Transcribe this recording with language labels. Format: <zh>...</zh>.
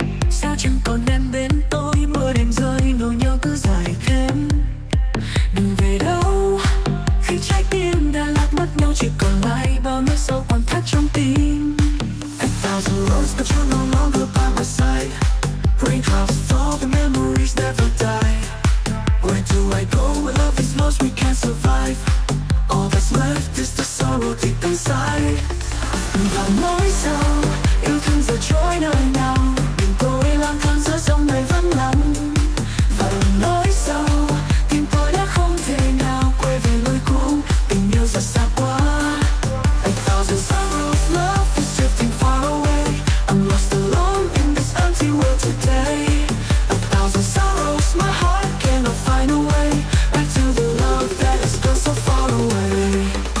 <vi>Sao chẳng còn em bên tôi, mưa đêm rơi nỗi nhớ cứ dài thêm. Đừng về đâu khi trái tim đã lạc mất nhau, chỉ còn lại bao nỗi sâu còn thắt trong tim.</vi> <en>A thousand roads but you're no longer by my side. Raindrops fall, the memories never die. Where do I go when love is lost, we can't survive. All that's left is the sorrow deep inside.</en> <vi>Và nỗi sầu yêu thương giờ trôi nơi nào, đừng cố ý lang thang giữa dòng này vẫn lặng. Và nỗi sầu tim tôi đã không thể nào quay về nơi cũ, tình yêu giờ xa quá.</vi> <en>A thousand sorrows, love is drifting far away. I'm lost alone in this empty world today. A thousand sorrows, my heart cannot find a way back to the love that has gone so far away.</en>